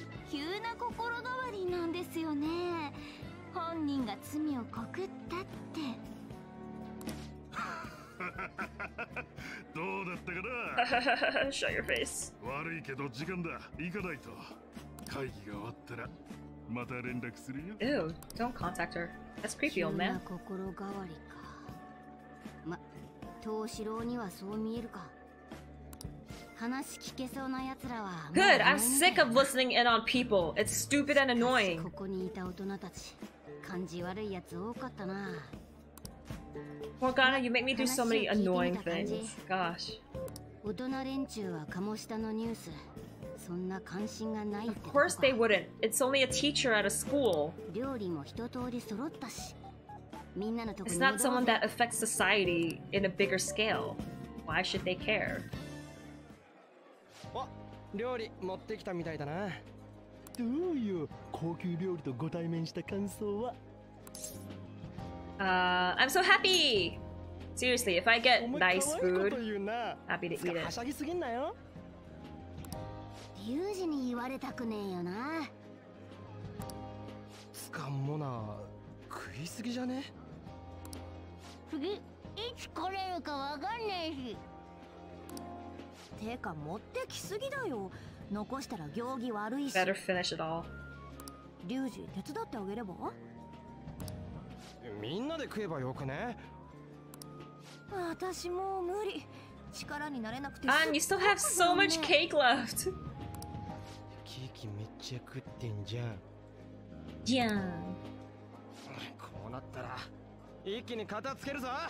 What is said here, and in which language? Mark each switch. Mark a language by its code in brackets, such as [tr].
[ja] 急な心変わりなんですよね。本人が罪を告ったって。どうだったかな。 [en] Shut your face。 [ja] 悪いけど時間だ。行かないと。会議が終わったら。また連絡するよ。 [en] Ew, don't contact her. That's creepy, old man. [ja] 急な心変わりか。ま、トウシロウにはそう見えるか。話聞けそうな奴らは。 [en] Good, I'm sick of listening in on people. It's stupid and annoying. [ja] ここにいた大人たち、感じ悪い奴多かったな。 [en] Morgana, you make me do so many annoying things. Gosh. [ja] 大人連中は鴨下のニュース。そんな関心がないって。 [en] Of course they wouldn't. It's only a teacher at a school. [ja] 料理も一通り揃ったし、みんなのとこに。 [en] It's not someone that affects society in a bigger scale. Why should they care? [ja] あ、料理持ってきたみたいだな。どういう高級料理とご対面した感想は？ [en] I'm so happy. Seriously, if I get nice food, happy to eat it. [ja] はしゃぎすぎんなよ。ユージに言われたくねえよな。つかんもな、食いすぎじゃね。次いつ来れるかわかんねえし。てか持ってきすぎだよ。残したら行儀悪いし。 [en] Better finish it all。 [ja] リュウジ手伝ってあげれば。みんなで食えばよくね。私もう無理。力になれなくて。 [en] And you still have so much cake left。 [ja] ケーキめっちゃ食ってんじゃん。じゃん。こうなったら一気に片付けるぞ。